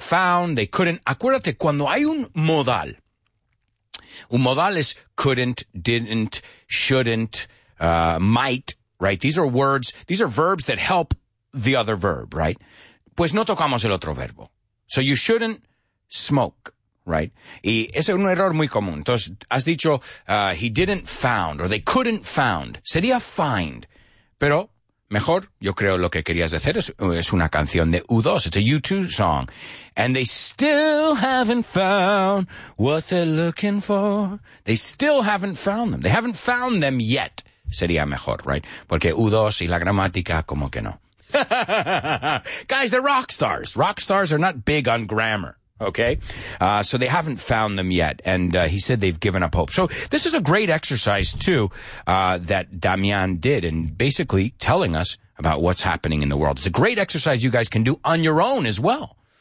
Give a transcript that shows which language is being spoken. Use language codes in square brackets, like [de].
[es] Acuérdate, cuando hay un modal es [en] couldn't, didn't, shouldn't, might, right? These are verbs that help the other verb, right? [es] Pues no tocamos el otro verbo. [en] So you shouldn't smoke, right? [es] Y es un error muy común. Entonces, has dicho, [en] he didn't found, or they couldn't found. [es] Sería find. Pero mejor, yo creo lo que querías decir es una canción de U2. [en] It's a U2 song. And they still haven't found what they're looking for. They still haven't found them. They haven't found them yet. [es] Sería mejor, [en] right? [es] Porque U2 y la gramática, como que no. [en] Guys, they're rock stars. Rock stars are not big on grammar, okay? So they haven't found them yet. And he said they've given up hope. So this is a great exercise, too, that Damian did in basically telling us about what's happening in the world. It's a great exercise you guys can do on your own as well.